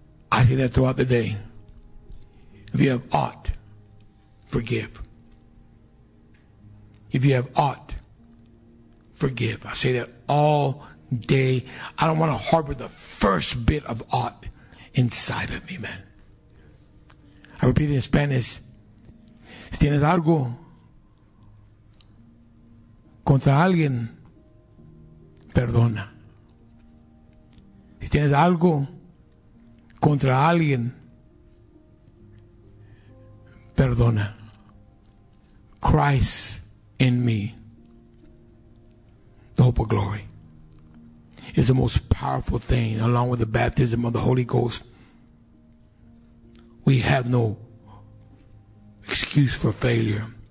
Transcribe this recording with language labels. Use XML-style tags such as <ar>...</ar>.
<en>I say that throughout the day. If you have aught, forgive. If you have aught, forgive. I say that all day. I don't want to harbor the first bit of aught inside of me, man. I repeat it in Spanish.</en> <es>Si tienes algo contra alguien, perdona. Si tienes algo contra alguien, perdona.</es> <en>Christ in me, the hope of glory, is the most powerful thing, along with the baptism of the Holy Ghost. We have no excuse for failure.</en>